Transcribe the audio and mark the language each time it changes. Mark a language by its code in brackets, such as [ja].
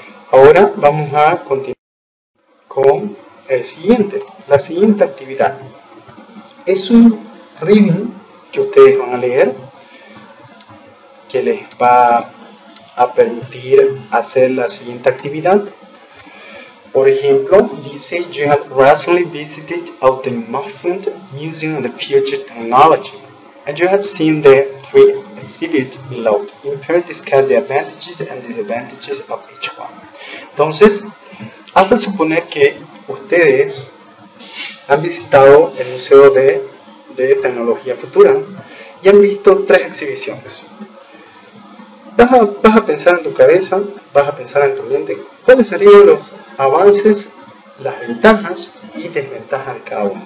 [es] Ahora vamos a continuar con la siguiente actividad. Es un reading que ustedes van a leer, que les va a permitir hacer la siguiente actividad. Por ejemplo, dice, [en] you have recently visited the Muffet Museum of the Future Technology, and you have seen the three exhibits below. In pair, discuss the advantages and disadvantages of each one. [es] Entonces, hace suponer que ustedes han visitado el Museo de Tecnología Futura y han visto tres exhibiciones. Vas a pensar en tu cabeza, vas a pensar en tu mente, ¿cuáles serían los avances, las ventajas y desventajas de cada uno?